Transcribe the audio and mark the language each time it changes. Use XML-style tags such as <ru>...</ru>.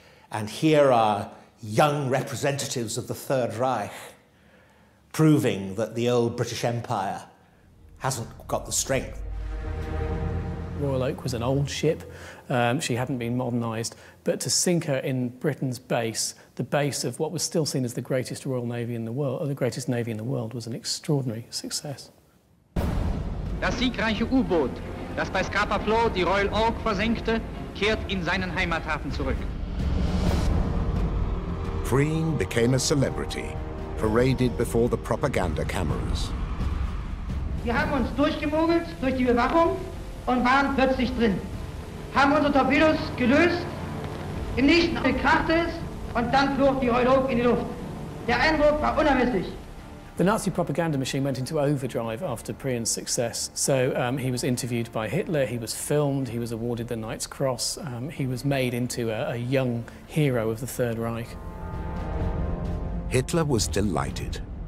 <en>And here are young representatives of the Third Reich, proving that the old British Empire hasn't got the strength. Royal Oak was an old ship. She hadn't been modernised. But to sink her in Britain's base, the base of what was still seen as the greatest Royal Navy in the world, or the greatest Navy in the world, was an extraordinary success.</en> <de>Das siegreiche U-Boot, das bei Scapa Flow die Royal Oak versenkte, kehrt in seinen Heimathafen zurück.</de> <en>Green became a celebrity, paraded before the propaganda cameras.</en> <de>Wir haben uns durchgemogelt durch die Bewachung und waren plötzlich drin. Haben unsere Torpedos gelöst, im nächsten Augenblick krachte es und dann flog die Royal Oak in die Luft. Der Eindruck war unermesslich.</de> <en>The Nazi propaganda machine went into overdrive after Prien's success. So he was interviewed by Hitler, he was filmed, he was awarded the Knight's Cross, he was made into a young hero of the Third Reich. Hitler was delighted.</en>